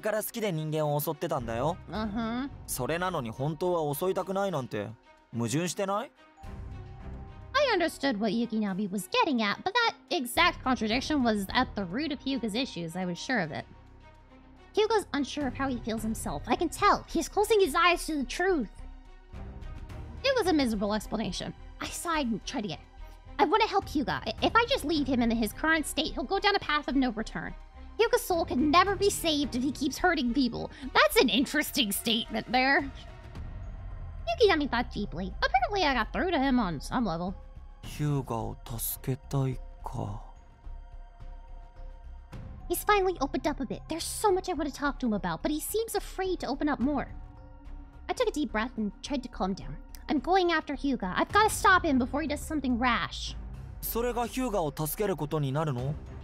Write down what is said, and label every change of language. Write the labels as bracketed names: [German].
[Japanese] それにヒューが自分から好きで人間を襲ってたんだよ? [English] Uh-huh. [Japanese] それなのに本当は襲いたくないなんて、矛盾してない? [English] I understood what Yukinami was getting at, but that exact contradiction was at the root of Hyuga's issues, I was sure of it. Hyuga's unsure of how he feels himself. I can tell. He's closing his eyes to the truth. It was a miserable explanation. I sighed and tried again. I want to help Hyuga. If I just leave him in his current state, he'll go down a path of no return. Hyuga's soul can never be saved if he keeps hurting people. That's an interesting statement there. Yukinami thought deeply. Apparently, I got through to him on some level. [Japanese] Hyugaを助けたいか... [English] He's finally opened up a bit. There's so much I want to talk to him about, but he seems afraid to open up more. I took a deep breath and tried to calm down. I'm going after Hyuga. I've got to stop him before he does something rash. [Japanese] それがヒューガを助けることになるの?